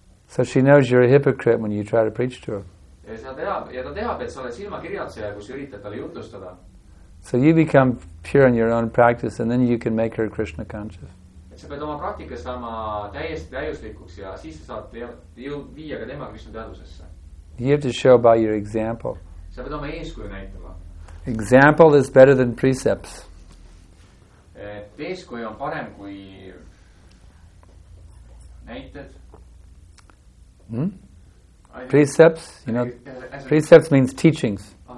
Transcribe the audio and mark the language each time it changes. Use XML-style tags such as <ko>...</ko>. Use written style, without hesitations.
<en>So she knows you're a hypocrite when you try to preach to her. So you become pure in your own practice and then you can make her Krishna conscious.</en> <et>Sa pead oma praktikas saama täiesti täiuslikuks ja siis sa saad viia ka tema Krishna teadusesse.</et> <en>You have to show by your example.</en> <et>Sa pead oma eeskuju näitama.</et> <en>Example is better than precepts.</en> <et>Eeskuju on parem kui näited.</et> <en>Precepts, you know, precepts means teachings.</en>